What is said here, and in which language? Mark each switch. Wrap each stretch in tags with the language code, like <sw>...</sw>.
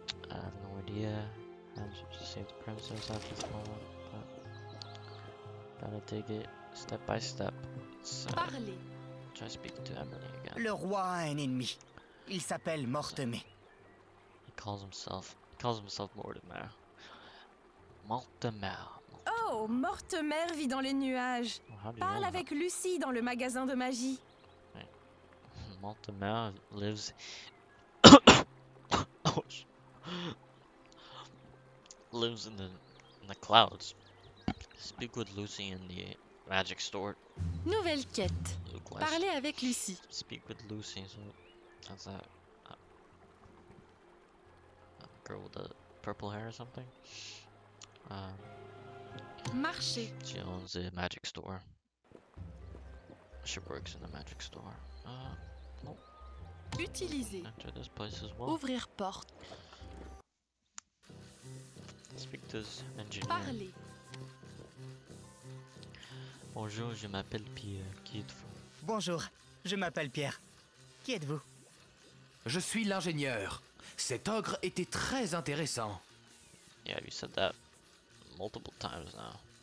<en>I have no idea how I'm supposed to save the princess at this moment, but gotta take it step by step. So</en> <fr>Parlez.</fr> <en>Try speaking to Emily again.</en> <fr>Le roi a un ennemi. Il s'appelle Mortemer.</fr> <en>He calls himself Mortemer. Mortemer.</en> <fr>Oh, Mortemer vit dans les nuages. Parle avec Lucie dans le magasin de magie.</fr> <en>Mortemer lives... lives in the clouds. Speak with Lucie in the magic store.</en> <fr>Nouvelle quête. Parlez avec Lucie.</fr> <en>Speak with Lucie, so... That's that... girl with the purple hair or something?</en> <fr>Marché.</fr> <en>She owns a magic store. She works in the magic store.</en> <fr>Utiliser.</fr> <en>Enter this place as well.</en> <fr>Ouvrir porte.</fr> <en>Speak to this engineer.</en> <fr>Parler. Bonjour, je m'appelle Pierre. Qui êtes-vous? Bonjour, je m'appelle Pierre. Qui êtes-vous? Je suis l'ingénieur. Cet ogre était très intéressant.</fr> <en>Yeah, you said that multiple times now.</en>